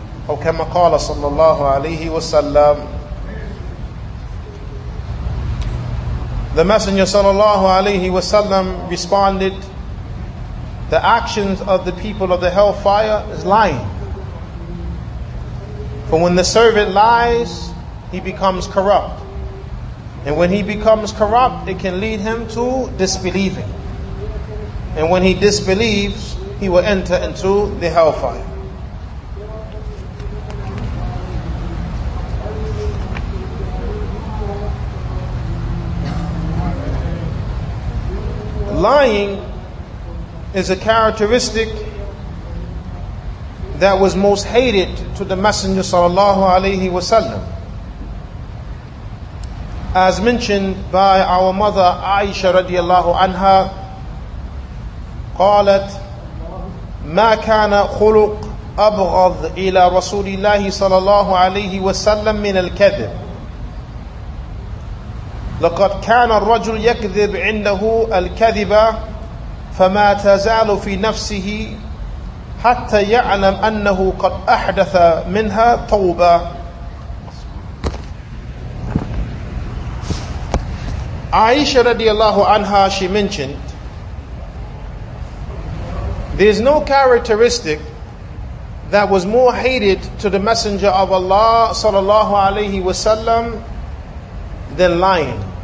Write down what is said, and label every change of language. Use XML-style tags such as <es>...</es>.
<ar>أو كما قال صلى الله عليه وسلم.</ar> <en>The Messenger صلى الله عليه وسلم responded, the actions of the people of the hellfire is lying. For when the servant lies, he becomes corrupt. And when he becomes corrupt, it can lead him to disbelieving. And when he disbelieves, he will enter into the hellfire. Lying is a characteristic that was most hated to the Messenger sallallahu alaihi wasallam. As mentioned by our mother Aisha radiallahu anha,</en> <ar>قالت ما كان خلق أبغض إلى رسول الله صلى الله عليه وسلم من الكذب لقد كان الرجل يكذب عنده الكذب فما تزال في نفسه حتى يعلم أنه قد أحدث منها توبة.</ar> <en>Aisha radiallahu anha, she mentioned, there's no characteristic that was more hated to the Messenger of Allah sallallahu alaihi wasallam than lying.</en>